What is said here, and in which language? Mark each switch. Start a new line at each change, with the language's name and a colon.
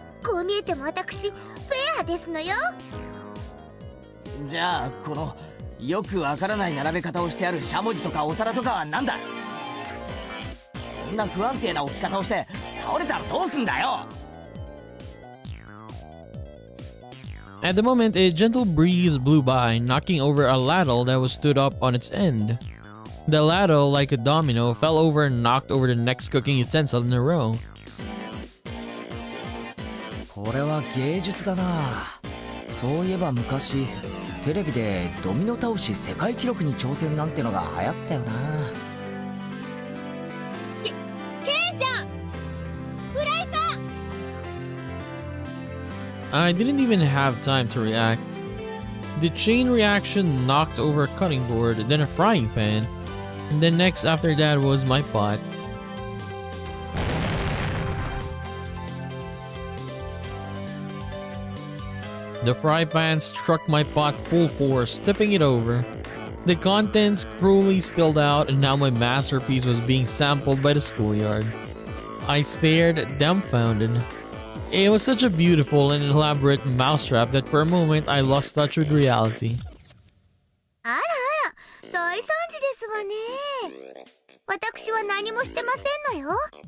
Japanese: こう見えても私フェアですのよ。じゃあこのよくわからない並べ方をしてあるしゃもじとかお皿とかはなんだ。こんな不安定な置き方をして倒れたらどうすんだよ。
English: At the moment, a gentle breeze blew by, knocking over a ladle that was stood up on its end. The ladle, like a domino, fell over and knocked over the next cooking utensil in a row.
Japanese: これは芸術だな。そういえば昔テレビでドミノ倒し世界記録に挑戦なんてのが流行ったよな。ケイちゃん、フライパン。
English: I didn't even have time to react. The chain reaction knocked over a cutting board, then a frying pan. The next after that was my pot. The fry pan struck my pot full force, tipping it over. The contents cruelly spilled out, and now my masterpiece was being sampled by the schoolyard. I stared, dumbfounded. It was such a beautiful and elaborate mousetrap that for a moment I lost touch with reality.
Japanese: あらあら、大惨事ですわね。私は何もしてませんのよ。